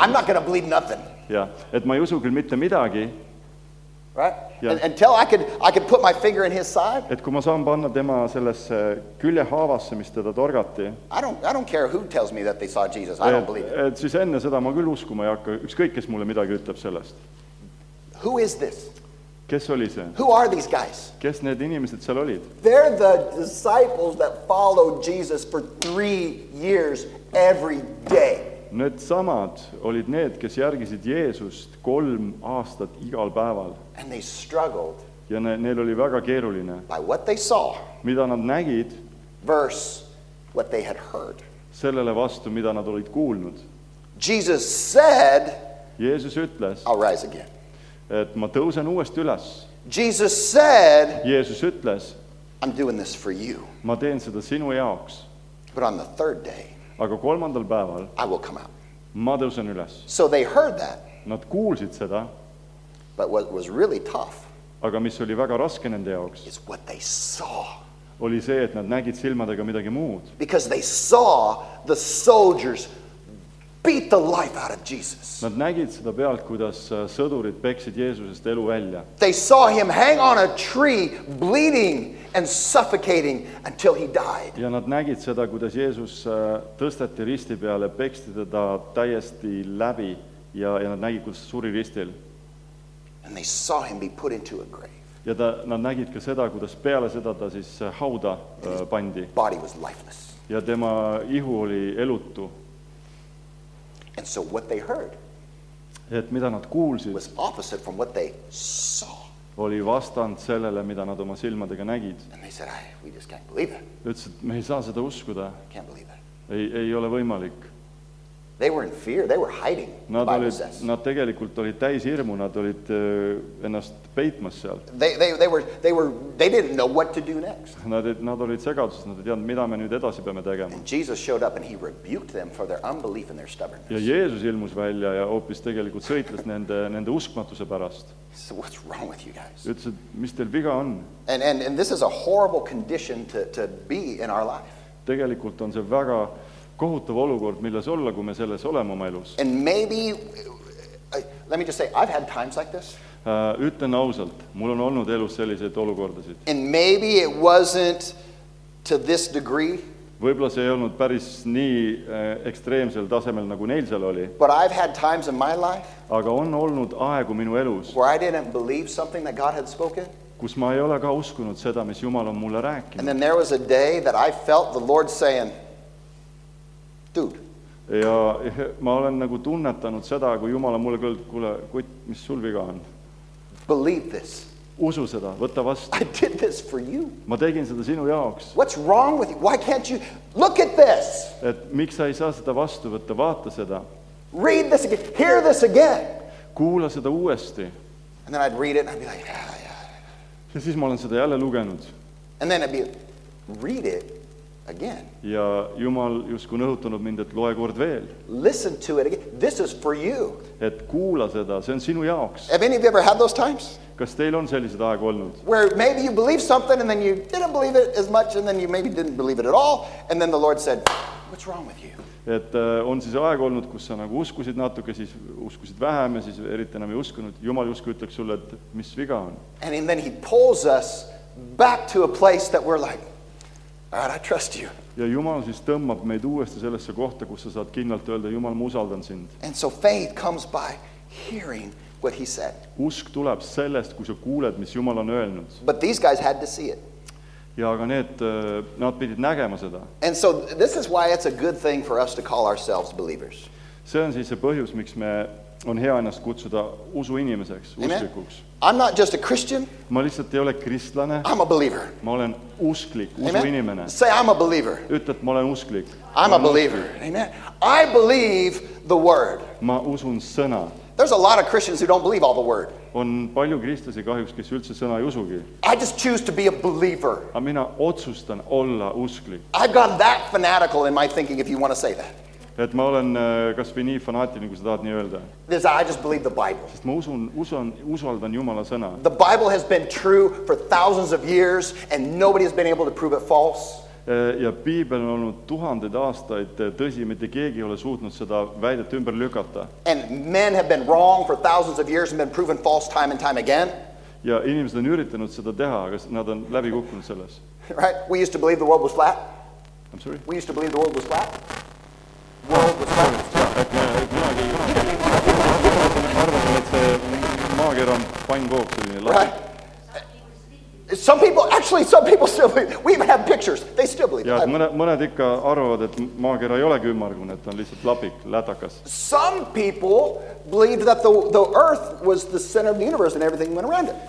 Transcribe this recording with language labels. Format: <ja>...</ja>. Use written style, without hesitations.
<en>I'm not going to believe nothing.</en> <et>Ja, et ma ei usu küll mitte midagi.</et> <en>Right? Yeah. Until I could put my finger in his side.</en> <et>Et kui ma saan panna tema sellesse külje haavasse, mis teda torgati.</et> <en>I don't care who tells me that they saw Jesus. I don't believe it.</en> <et>Et siis enne seda ma küll uskuma ei hakka. Ükskõik, kes mulle midagi ütleb sellest.</et> <en>Who is this?</en> <et>Kes oli see?</et> <en>Who are these guys?</en> <et>Kes need inimesed seal olid?</et> <en>They're the disciples that followed Jesus for 3 years every day.</en> <et>Need samad olid need, kes järgisid Jeesust 3 aastat igal päeval.</et> <en>And they struggled.</en> <et>Ja neil oli väga keeruline.</et> <en>By what they saw.</en> <et>Mida nad nägid.</et> <en>Verse what they had heard.</en> <et>Sellele vastu, mida nad olid kuulnud.</et> <en>Jesus said.</en> <et>Jeesus ütles.</et> <en>I'll rise again.</en> <et>Et ma tõusen uuesti üles.</et> <en>Jesus said.</en> <et>Jeesus ütles.</et> <en>I'm doing this for you.</en> <et>Ma teen seda sinu jaoks.</et> <en>But on the third day.</en> <et>Aga kolmandal päeval.</et> <en>I will come out.</en> <et>Ma tõusen üles.</et> <en>So they heard that.</en> <et>Nad kuulsid seda.</et> <en>But what was really tough.</en> <et>Aga mis oli väga raske nende jaoks.</et> <en>Is what they saw.</en> <et>Oli see, et nad nägid silmadega midagi muud.</et> <en>Because they saw the soldiers beat the life out of Jesus.</en> <et>Nad nägid seda pealt, kuidas sõdurid peksid Jeesusest elu välja.</et> <en>They saw him hang on a tree, bleeding and suffocating until he died.</en> <et>Ja nad nägid seda, kuidas Jeesus tõsteti risti peale, peksti teda täiesti läbi ja nad nägid, kuidas suri ristil.</et> <en>And they saw him be put into a grave.</en> <et>Ja ta, nad nägid ka seda, kuidas peale seda ta siis hauda pandi.</et> <en>Body was lifeless.</en> <et>Ja tema ihu oli elutu.</et> <en>And so what they heard</en> <et>et mida nad kuulsid,</et> <en>was opposite from what they saw.</en> <et>Oli vastand sellele, mida nad oma silmadega nägid.</et> <en>And they said, we just can't believe it.</en> <et>Ütlesid, me ei saa seda uskuda.</et> <en>Can't believe it.</en> <et>Ei ole võimalik.</et> <en>They were in fear. They were hiding.</en> <et>Nad tegelikult olid täis hirmu. Nad olid ennast peitmas seal.</et> <en>They didn't know what to do next.</en> <et>Nad olid segaduses. Nad ei teadnud, mida me nüüd edasi peame tegema.</et> <en>And Jesus showed up and he rebuked them for their unbelief and their stubbornness.</en> <et>Ja Jeesus ilmus välja ja hoopis tegelikult sõitles nende uskmatuse pärast.</et> <en>So what's wrong with you guys?</en> <et>Ütlesid, mis teil viga on?</et> <en>And this is a horrible condition to be in our life.</en> <et>Tegelikult on see väga kohutav olukord, milles olla, kui me selles oleme oma elus.</et> <en>And maybe, let me just say, I've had times like this.</en> <et>Ütlen ausalt, mul on olnud elus sellised olukordasid.</et> <en>And maybe it wasn't to this degree.</en> <et>Võibolla see ei olnud päris nii ekstreemsel tasemel, nagu neil seal oli.</et> <en>But I've had times in my life.</en> <et>Aga on olnud aegu minu elus.</et> <en>Where I didn't believe something that God had spoken.</en> <et>Kus ma ei ole ka uskunud seda, mis Jumal on mulle rääkinud.</et> <en>And then there was a day that I felt the Lord saying, dude.</en> <et>Ja ma olen nagu tunnetanud seda, kui Jumal on mulle kõld, kuule, mis sul viga on?</et> <en>Believe this.</en> <et>Usu seda, võtta vastu.</et> <en>I did this for you.</en> <et>Ma tegin seda sinu jaoks.</et> <en>What's wrong with you? Why can't you? Look at this.</en> <et>Et miks sa ei saa seda vastu võtta, vaata seda.</et> <en>Read this again. Hear this again.</en> <et>Kuula seda uuesti.</et> <en>And then I'd read it and I'd be like, yeah.</en> <et>Ja siis ma olen seda jälle lugenud.</et> <en>And then I'd be, read it. Again.</en> <et>Ja Jumal justkui nõhutanud mind, et loe kord veel.</et> <en>Listen to it again. This is for you.</en> <et>Et kuula seda, see on sinu jaoks.</et> <en>Have any of you ever had those times?</en> <et>Kas teil on sellised aeg olnud?</et> <en>Where maybe you believe something and then you didn't believe it as much and then you maybe didn't believe it at all and then the Lord said, what's wrong with you?</en> <et>Et on siis aeg olnud, kus sa nagu uskusid natuke, siis uskusid vähem ja siis eriti enam ei uskunud. Jumal justkui ütleks sulle, et mis viga on.</et> <en>And then he pulls us back to a place that we're like, God, I trust you.</en> <et>Ja Jumal siis tõmmab meid uuesti sellesse kohta, kus sa saad kindlalt öelda, Jumal, ma usaldan sind.</et> <en>And so faith comes by hearing what he said.</en> <et>Usk tuleb sellest, kui sa kuuled, mis Jumal on öelnud.</et> <en>But these guys had to see it.</en> <et>Ja aga need, nad pidid nägema seda.</et> <en>And so this is why it's a good thing for us to call ourselves believers.</en> <et>See on siis see põhjus, miks me on hea ennast kutsuda usu inimeseks, usklikuks.</et> <en>I'm not just a Christian.</en> <et>Ma lihtsalt ei ole kristlane.</et> <en>I'm a believer.</en> <et>Ma olen usklik, usu inimene.</et> <en>Say, I'm a believer.</en> <et>Ütled, ma olen usklik.</et> <en>I'm a believer. Amen. I believe the word.</en> <et>Ma usun sõna.</et> <en>There's a lot of Christians who don't believe all the word.</en> <et>On palju kristlasi kahjuks, kes üldse sõna ei usugi.</et> <en>I just choose to be a believer.</en> <et>Aga mina otsustan olla usklik.</et> <en>I've gone that fanatical in my thinking, if you want to say that.</en> <et>Et ma olen kas või nii fanaatiline, kui sa tahad nii öelda.</et> <en>This, I just believe the Bible.</en> <et>Sest ma usaldan Jumala sõna.</et> <en>The Bible has been true for thousands of years and nobody has been able to prove it false.</en> <et>Ja Piibel on olnud tuhanded aastaid tõsi, mitte keegi ei ole suutnud seda väidet ümber lükata.</et> <en>And men have been wrong for thousands of years and been proven false time and time again.</en> <et>Ja inimesed on üritanud seda teha, aga nad on läbi kukkunud selles.</et> <en>Right? We used to believe the world was flat. I'm sorry? We used to believe the world was flat. World was fine.</en> <et>maakera on pannkoog selline lahti.</et> <en>Right. Some people still believe. We even have pictures. They still believe.</en> <et>Ja, mõned ikka arvavad, et maakera ei olegi ümmargune, et on lihtsalt lapik, lätakas.</et> <en>Some people believe that the earth was the center of the universe and everything went around it.</en>